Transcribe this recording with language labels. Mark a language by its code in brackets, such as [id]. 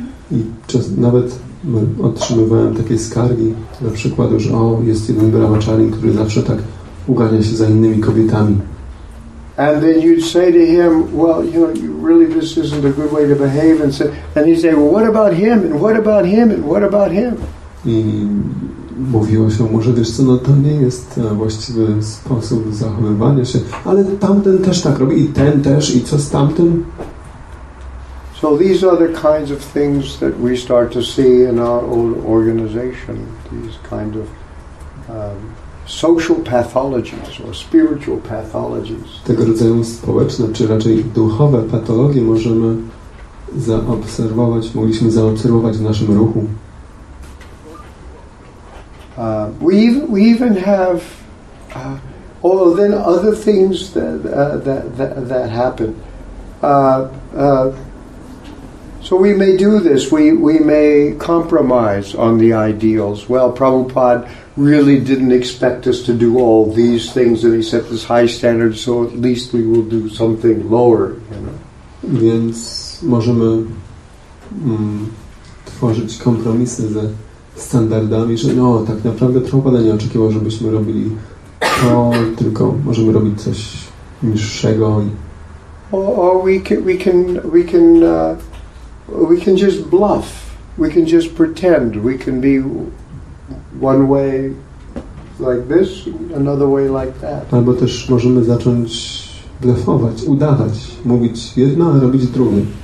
[pl] I just nawet otrzymywałem takie skargi, na przykład, że o, jest jeden brahmachari, który zawsze tak ugania się za innymi kobietami. [en] And then you'd say to him, well, you know, really this isn't a good way to behave, and he'd say, well, what about him, and what about him, and what about him? [pl] I mówiło się, może wiesz co, no to nie jest właściwy sposób zachowywania się, ale tamten też tak robi, i ten też, i co z tamtym? [en] So these are the kinds of things that we start to see in our own organization, these kind of social pathologies or spiritual pathologies. [pl] Tego rodzaju społeczne, czy raczej duchowe patologie możemy zaobserwować, mogliśmy zaobserwować w naszym ruchu. [en] We even have then other things that happen. So we may do this. We may compromise on the ideals. Well, Prabhupada really didn't expect us to do all these things, and he set this high standard, so at least we will do something lower, you know. [pl] Więc możemy tworzyć kompromisy ze standardami, że no, tak naprawdę Prabhupada nie oczekiwał, żebyśmy robili to tylko możemy robić coś niższego. [en] Or we can just bluff. We can just pretend. We can be one way like this, another way like that. [pl] Albo też możemy zacząć blefować, udawać, mówić jedno, a robić drugie.